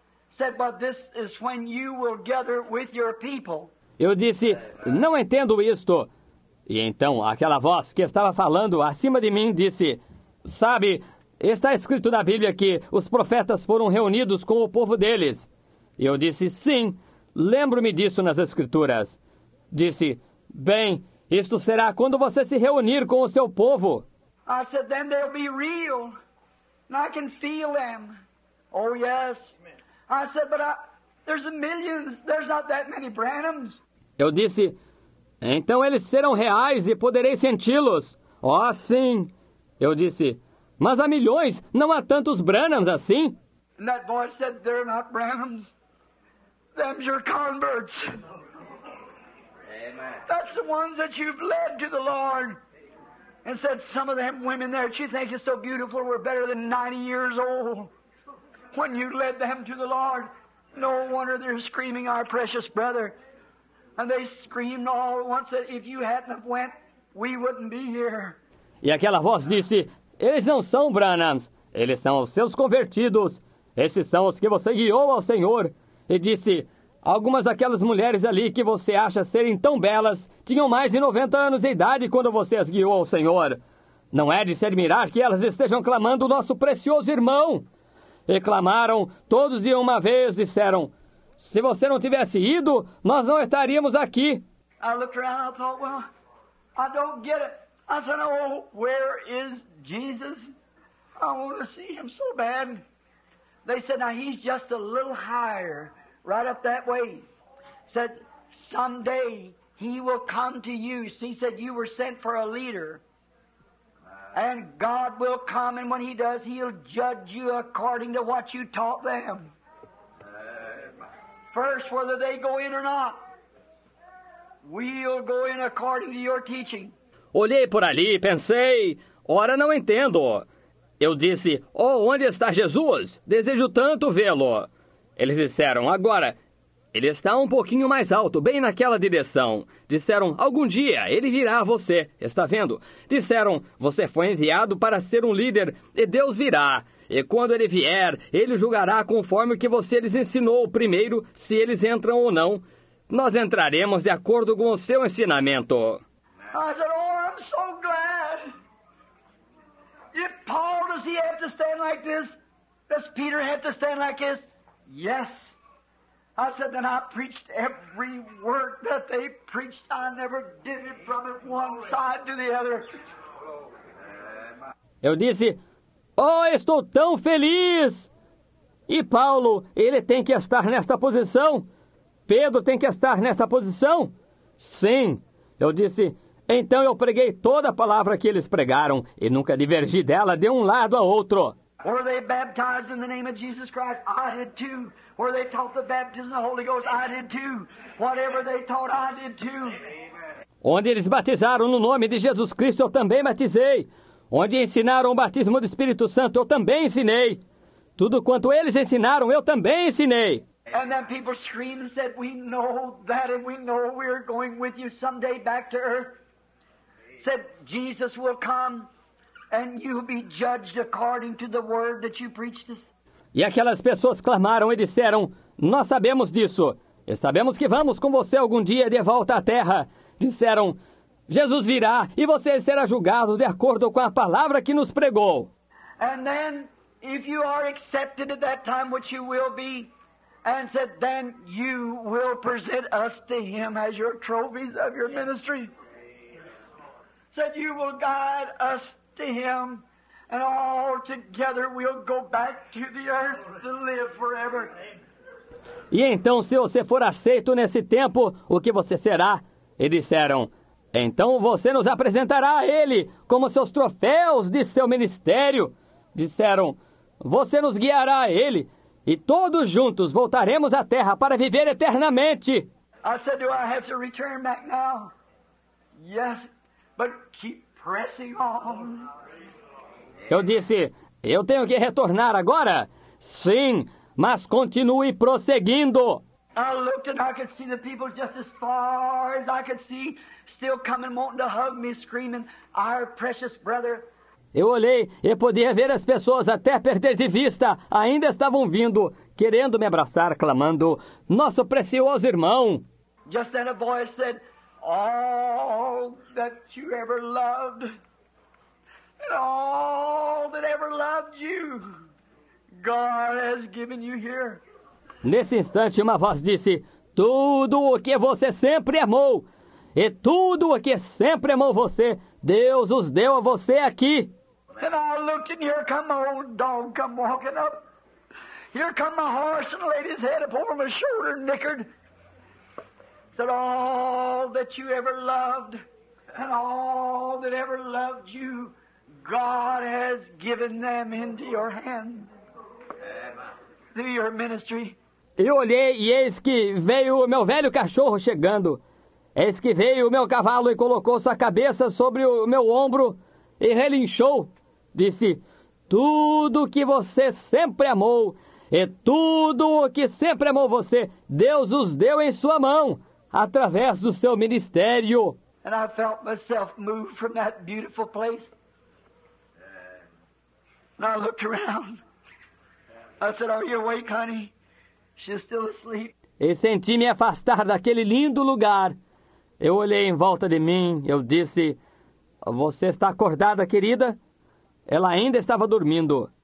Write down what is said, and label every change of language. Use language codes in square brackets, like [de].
[en] Said, but this is when you will gather with your people. [pt] Eu disse, não entendo isto. E então aquela voz que estava falando acima de mim disse, sabe, está escrito na Bíblia que os profetas foram reunidos com o povo deles. E eu disse, sim, lembro-me disso nas escrituras. Disse, bem, isto será quando você se reunir com o seu povo. [en] I said, then they'll be real. And I can feel them. Oh, yes. Amen. I said, but there's millions. There's not that many Branhams. [pt] Eu disse, então eles serão reais e poderei senti-los. Oh, sim. Eu disse, mas há milhões. Não há tantos Branhams assim. [en] And that voice said, they're not Branhams. Them's your converts. Amen. That's the ones that you've led to the Lord. And said, some of them women there that you think is so beautiful were better than 90 years old when you led them to the Lord. No wonder they're screaming, our precious brother. And they screamed all at once that if you hadn't have went, we wouldn't be here. [pt] E aquela voz disse, eles não são Branhams, eles são os seus convertidos. Esses são os que você guiou ao Senhor. E disse, algumas daquelas mulheres ali que você acha serem tão belas tinham mais de 90 anos de idade quando você as guiou ao Senhor. Não é de se admirar que elas estejam clamando o nosso precioso irmão. E clamaram, todos de uma vez disseram, se você não tivesse ido, nós não estaríamos aqui. [en] I looked around and I thought, well, I don't get it. I said, oh, where is Jesus? I want to see him so bad. They said, now he's just a little higher. Right up that way. Said, someday he will come to you. See, said, you were sent for a leader. And God will come, and when he does, he'll judge you according to what you taught them. First, whether they go in or not, we'll go in according to your teaching. [pt] Olhei por ali e pensei, ora não entendo. Eu disse, oh, onde está Jesus? Desejo tanto vê-lo. Eles disseram, agora, ele está um pouquinho mais alto, bem naquela direção. Disseram, algum dia, ele virá a você, está vendo? Disseram, você foi enviado para ser um líder, e Deus virá. E quando ele vier, ele julgará conforme o que você lhes ensinou primeiro, se eles entram ou não. Nós entraremos de acordo com o seu ensinamento. [en] I said, oh, I'm so glad. If Paul, does he have to stand like this? Does Peter have to stand like this? Yes. I said, then I preached every word that they preached. I never did it from it one side to the other. [pt] Eu disse, oh, estou tão feliz. E Paulo, ele tem que estar nesta posição. Pedro tem que estar nesta posição. Sim. Eu disse, então eu preguei toda a palavra que eles pregaram e nunca divergi dela de um lado a outro. [en] Were they baptized in the name of Jesus Christ? I did too. Were they taught the baptism of the Holy Ghost? I did too. Whatever they taught, I did too. [pt] Onde eles batizaram no nome de Jesus Cristo, eu também batizei. Onde ensinaram o batismo do Espírito Santo, eu também ensinei. Tudo quanto eles ensinaram, eu também ensinei. [en] And then people screamed and said, we know that, and we know we're going with you someday back to earth. Said, Jesus will come, and you'll be judged according to the word that you preached us. [pt] E aquelas pessoas clamaram e disseram, nós sabemos disso, e sabemos que vamos com você algum dia de volta à terra. Disseram, Jesus virá, e você será julgado de acordo com a palavra que nos pregou. [en] And then, if you are accepted at that time, which you will be, and said, then you will present us to him as your trophies of your ministry. Said, you will guide us to him, and all together we'll go back to the earth to live forever. [pt] E então, se você for aceito nesse tempo, o que você será? E disseram, então você nos apresentará a ele como seus troféus de seu ministério. Disseram, você nos guiará a ele, e todos juntos voltaremos à terra para viver eternamente. [en] I said, do I have to return back now? Yes, but keep pressing on. [pt] Eu disse, eu tenho que retornar agora? Sim, mas continue prosseguindo. [en] I looked and I could see the people just as far as I could see, still coming, wanting to hug me, screaming, our precious brother. [pt] Eu olhei e podia ver as pessoas até perder de vista, ainda estavam vindo, querendo me abraçar, clamando, nosso precioso irmão. [en] Just then a voice said, all that you ever loved, and all that ever loved you, God has given you here. [pt] Nesse instante, uma voz disse, tudo o que você sempre amou, e tudo o que sempre amou você, Deus os deu a você aqui. [en] And I looked, and here come my old dog come walking up. Here come my horse, and laid his head up over my shoulder, nickered. Said, all that you ever loved, and all that ever loved you, God has given them into your hand, through your ministry. [pt] Eu olhei, e eis que veio o meu velho cachorro chegando. Eis que veio o meu cavalo e colocou sua cabeça sobre o meu ombro e relinchou. Disse, tudo o que você sempre amou, e tudo o que sempre amou você, Deus os deu em sua mão, através do seu ministério. [en] And I felt myself move from that beautiful place. And I looked around. I said, are you awake, honey? She's still asleep. [pt] E senti me afastar daquele lindo lugar. Eu olhei em volta de mim, eu disse, você está acordada, querida? Ela ainda estava dormindo.